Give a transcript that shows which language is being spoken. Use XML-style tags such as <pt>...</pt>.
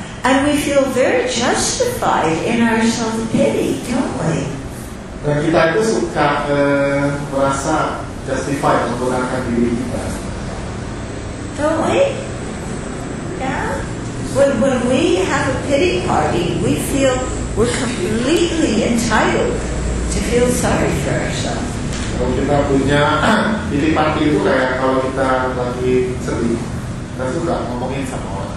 <en>And we feel very justified in our self-pity, don't we?</en> <id>Dan kita itu suka merasa justified untuk menggunakan diri kita.</id> <en>Don't we? Yeah? When we have a pity party, we feel we're completely entitled to feel sorry for ourselves.</en> <id>Kalau kita punya pity party itu kayak kalau kita lagi sedih, kita suka ngomongin sama orang.</id>